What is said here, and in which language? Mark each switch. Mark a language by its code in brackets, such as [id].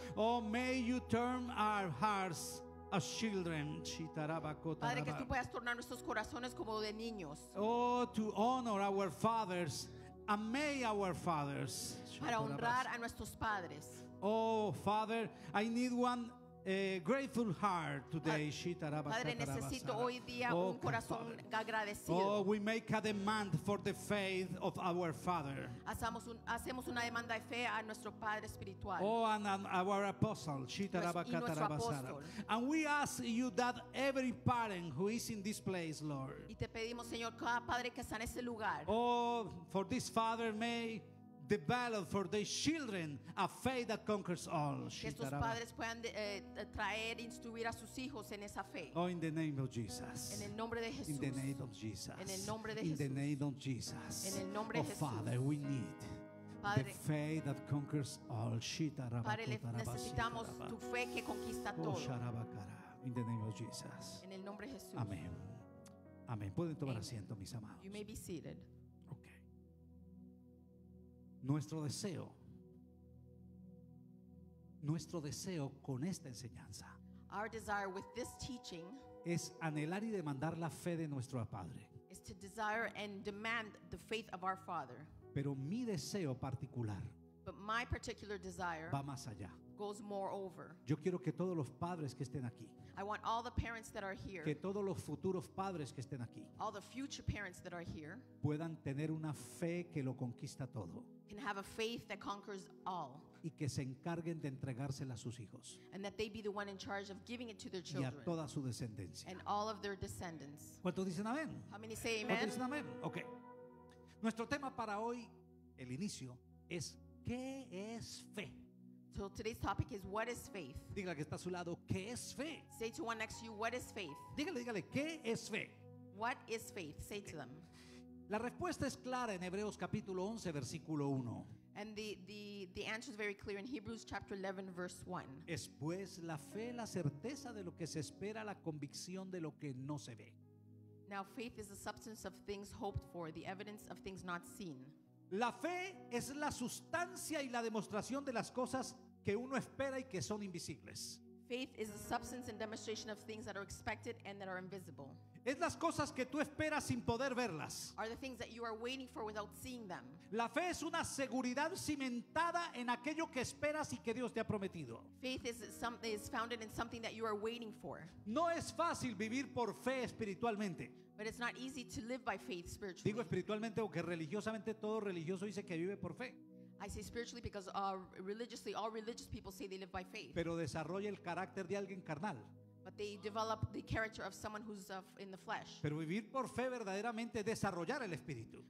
[en] Oh, may you turn our hearts as children. [es] Padre, que tú puedas tornar nuestros corazones como de niños. [en] Oh, to honor our fathers May our fathers. [es] Para honrar a nuestros padres. [en] Oh Father, I need one grateful heart today. Padre, [es] necesito hoy día un corazón agradecido. [en] Oh, we make a demand for the faith of our Father. [es] Hacemos una demanda de fe a nuestro Padre espiritual. [en] Oh, and our apostle, Shitarabakatarabasara. And we ask you that every parent who is in this place, Lord. [es] Y te pedimos, Señor, cada padre que está en este lugar. [en] Oh, for this father may develop for their children a faith that conquers all. [es] Que estos padres puedan traer, instruir a sus hijos en esa fe. [en] Oh, in the name of Jesus. [es] En el nombre de Jesús. [en] In the name of Jesus. [es] En el nombre de Jesús. [en] In the name of Jesus. [es] En el nombre de Jesús. [en] Oh Father, we need the faith that conquers all. [es] Padre, necesitamos tu fe que conquista todo. [en] Oh, Sharabakara. In the name of Jesus. [es] En el nombre de Jesús. Amén. Amén. Pueden tomar asiento, mis amados. [en] You may be seated. [es] Nuestro deseo con esta enseñanza, [en] our desire with this teaching, [es] es anhelar y demandar la fe de nuestro Padre, [en] is to desire and demand the faith of our Father. [es] Pero mi deseo particular, [en] but my particular desire, [es] va más allá, [en] goes moreover. [es] Yo quiero que todos los padres que estén aquí, [en] I want all the parents that are here, [es] que todos los futuros padres que estén aquí, [en] all the future parents that are here, [es] puedan tener una fe que lo conquista todo, [en] can have a faith that conquers all, [es] y que se encarguen de entregársela a sus hijos, [en] and that they be the one in charge of giving it to their children, [es] y a toda su descendencia, [en] and all of their descendants. [es] ¿Cuántos dicen amén? [en] How many say amen? [es] ¿Cuántos dicen amén? Okay. Nuestro tema para hoy, el inicio, es ¿qué es fe? [en] So today's topic is what is faith. [es] Dígale que está a su lado, ¿qué es fe? [en] Say to one next to you, what is faith? [es] Dígale, ¿qué es fe? [en] What is faith? Say to them. [es] La respuesta es clara en Hebreos capítulo 11, versículo 1. [en] And the answer is very clear in Hebrews chapter 11, verse 1. [es] Es pues la fe, la certeza de lo que se espera, la convicción de lo que no se ve. [en] Now faith is the substance of things hoped for, the evidence of things not seen. [es] La fe es la sustancia y la demostración de las cosas que uno espera y que son invisibles. [en] Faith is the substance and demonstration of things that are expected and that are invisible. [es] Es las cosas que tú esperas sin poder verlas. [en] Are the things that you are waiting for without seeing them. [es] La fe es una seguridad cimentada en aquello que esperas y que Dios te ha prometido. [en] Faith is founded in something that you are waiting for. [es] No es fácil vivir por fe espiritualmente. [en] But it's not easy to live by faith spiritually. [es] Digo espiritualmente porque religiosamente todo religioso dice que vive por fe. [en] I say spiritually because religiously all religious people say they live by faith. [es] Pero desarrolla el carácter de alguien carnal. [en] But they develop the character of someone who's in the flesh. [es] Pero vivir por fe verdaderamente es desarrollar el espíritu.